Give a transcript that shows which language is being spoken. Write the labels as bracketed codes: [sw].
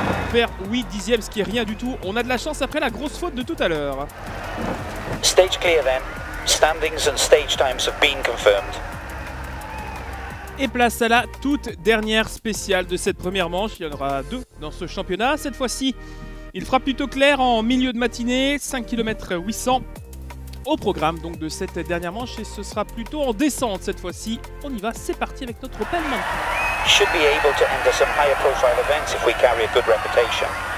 [fr] Faire 8 dixièmes, ce qui est rien du tout. On a de la chance après la grosse faute de tout à l'heure. [en] Stage clear then. Standings and stage times have been confirmed. [fr] Et place à la toute dernière spéciale de cette première manche. Il y en aura deux dans ce championnat. Cette fois-ci, il fera plutôt clair en milieu de matinée. 5 km 800 au programme donc de cette dernière manche. Et ce sera plutôt en descente cette fois-ci. On y va, c'est parti avec notre belle manche. [en] should be able to enter some higher profile events if we carry a good reputation.